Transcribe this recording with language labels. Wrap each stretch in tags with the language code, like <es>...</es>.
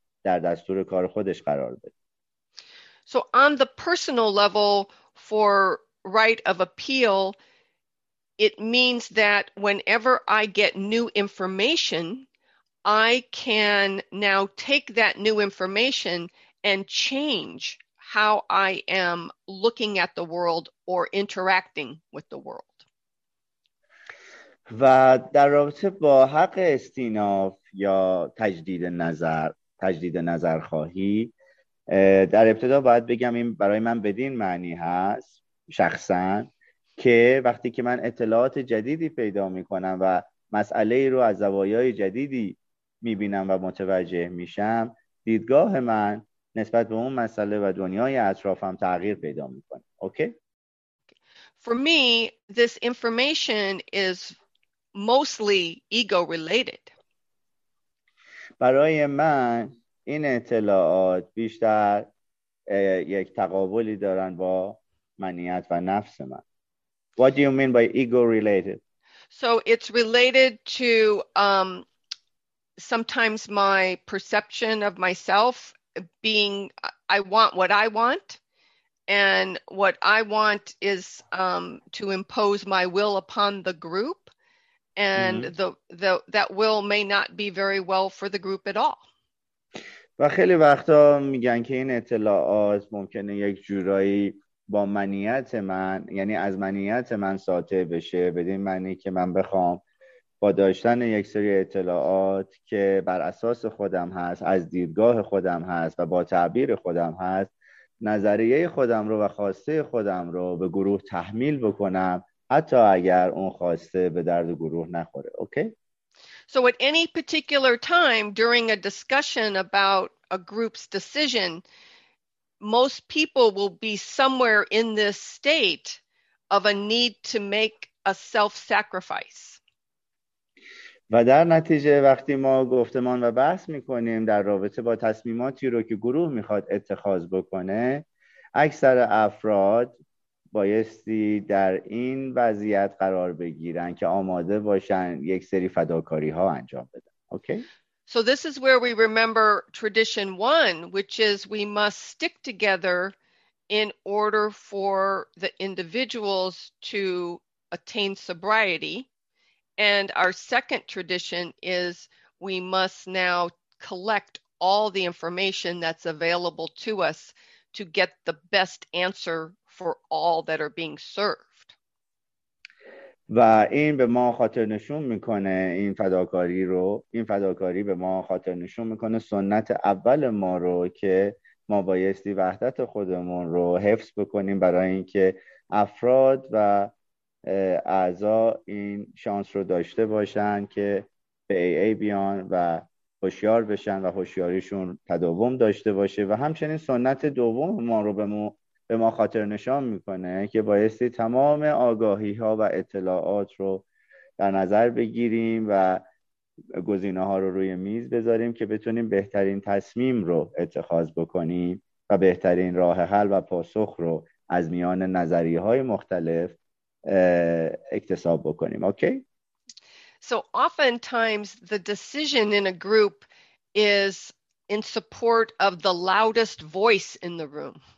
<fa>در دستور کار خودش قرار بده.</fa> <en>So on the personal level for right of appeal, it means that whenever I get new information, I can now take that new information and change how I am looking at the world or interacting with the world.</en> <fa>و در رابطه با حق استیناف یا تجدید نظر خواهی، در ابتدا باید بگم این برای من بدین معنی هست شخصا که وقتی که من اطلاعات جدیدی پیدا میکنم و مسئله ای رو از زوایای جدیدی میبینم و متوجه میشم، دیدگاه من نسبت به اون مسئله و دنیای اطرافم تغییر پیدا میکنه.</fa> <en>Okay? For me, this information is mostly ego related.</en> <fa>برای من این اطلاعات بیشتر یک تقابلی دارن با منیت و نفس من.</fa> <en>What do you mean by ego related? So it's related to sometimes my perception of myself being, I want what I want, and what I want is to impose my will upon the group, and that will may not be very well for the group at all.</en> <fa>و خیلی وقتا میگن که این اطلاعات ممکنه یک جورایی با منیت من، یعنی از منیت من ساطع بشه، بدین معنی که من بخوام با داشتن یک سری اطلاعات که بر اساس خودم هست، از دیدگاه خودم هست و با تعبیر خودم هست، نظریه خودم رو و خواسته خودم رو به گروه تحمیل بکنم، حتی اگر اون خواسته به درد گروه نخوره.</fa> <en>Okay? So at any particular time during a discussion about a group's decision, most people will be somewhere in this state of a need to make a self-sacrifice.</en> <fa>و در نتیجه وقتی ما گفتمان و بحث می‌کنیم در رابطه با تصمیماتی رو که گروه می‌خواد اتخاذ بکنه، اکثر افراد بایستی در این وضعیت قرار بگیرن که آماده باشن یک سری فداکاری ها انجام بدن.</fa> <en>Okay? So this is where we remember tradition one, which is we must stick together in order for the individuals to attain sobriety. And our second tradition is we must now collect all the information that's available to us to get the best answer for all that are being served.</en> <fa>و این به ما خاطر نشون میکنه این فداکاری به ما خاطر نشون میکنه سنت اول ما رو که ما بایستی وحدت خودمون رو حفظ بکنیم برای اینکه افراد و اعضا این شانس رو داشته باشن که به AA بیان و هوشیار بشن و هوشیاریشون تداوم داشته باشه. و همچنین سنت دوم ما رو به ما خاطر نشان میکنه که بایستی تمام آگاهی ها و اطلاعات رو در نظر بگیریم و گزینه ها رو روی میز بذاریم که بتونیم بهترین تصمیم رو اتخاذ بکنیم و بهترین راه حل و پاسخ رو از میان نظریه های مختلف اکتساب بکنیم.</fa> <en>Okay? So oftentimes the decision in a group is in support of the loudest voice in the room.</en>